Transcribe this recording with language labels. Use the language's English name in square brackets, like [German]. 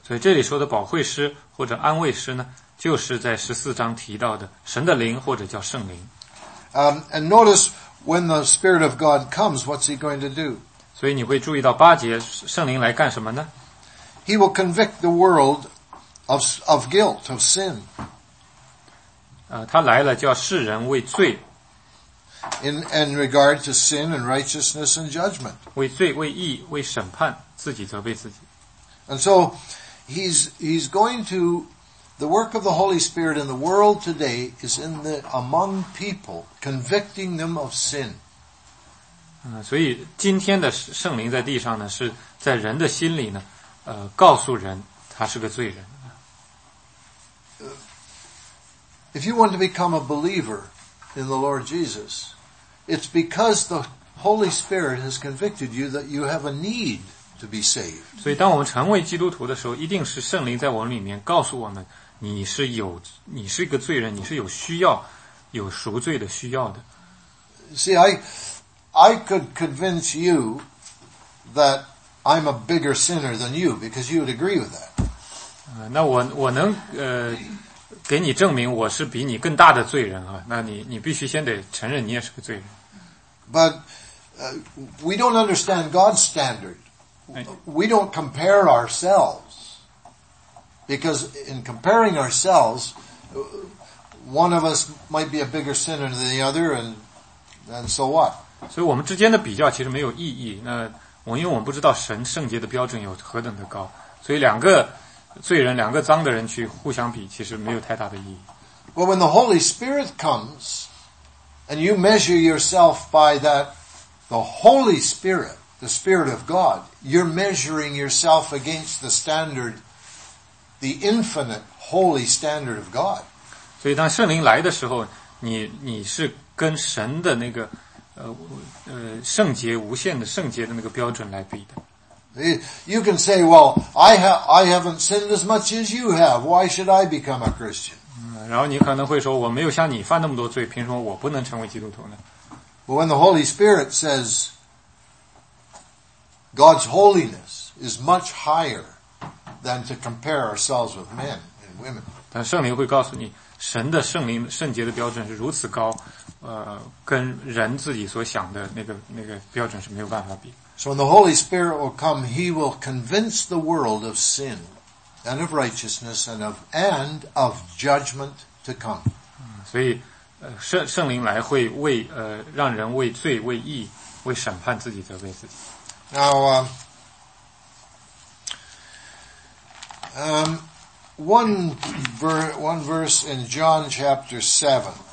[Chinese] 所以这里说的保惠师或者安慰师呢，就是在14章提到的神的灵或者叫圣灵。 [English] And notice when the Spirit of God comes, what's he going to do? [Chinese] 所以你会注意到八节圣灵来干什么呢？ [English] He will convict the world of guilt, of sin. [Chinese] 他来了叫世人为罪 [English] in regard to sin and righteousness and judgment. [Chinese] 为罪为义为审判自己责备自己。 [English] And so, he's going to, the work of the Holy Spirit in the world today is in the, among people, convicting them of sin. [Chinese] 所以今天的圣灵在地上呢是在人的心里呢告诉人他是个罪人。 [English] If you want to become a believer in the Lord Jesus, it's because the Holy Spirit has convicted you that you have a need to be saved. [Chinese] 所以当我们成为基督徒的时候，一定是圣灵在我们里面告诉我们，你是一个罪人，你是有需要，有赎罪的需要的。 [English] See, I could convince you that I'm a bigger sinner than you because you would agree with that. [Chinese] 那我能给你证明我是比你更大的罪人啊！那你必须先得承认你也是个罪人。 [English] But we don't understand God's standard. We don't compare ourselves because in comparing ourselves, one of us might be a bigger sinner than the other, and so what? [Chinese] 所以我们之间的比较其实没有意义。那我因为我们不知道神圣洁的标准有何等的高，所以两个。罪人两个脏的人去互相比其实没有太大的意义。 [English] Well, when the Holy Spirit comes, and you measure yourself by that, the Holy Spirit, the Spirit of God, you're measuring yourself against the standard, the infinite holy standard of God. [Chinese] 所以当圣灵来的时候你是跟神的那个圣洁无限的圣洁的那个标准来比的。 [English] You can say, well, I haven't sinned as much as you have. Why should I become a Christian? [Chinese] 然后你可能会说，我没有像你犯那么多罪，凭什么我不能成为基督徒呢？ [English] But when the Holy Spirit says, God's holiness is much higher than to compare ourselves with men and women. [Chinese] 但圣灵会告诉你，神的圣灵圣洁的标准是如此高，跟人自己所想的那个标准是没有办法比。 [English] So when the Holy Spirit will come, He will convince the world of sin and of righteousness and of judgment to come. [Chinese] 所以圣灵来会为让人为罪为义为审判自己责备自己。 [English] One verse in John chapter 7.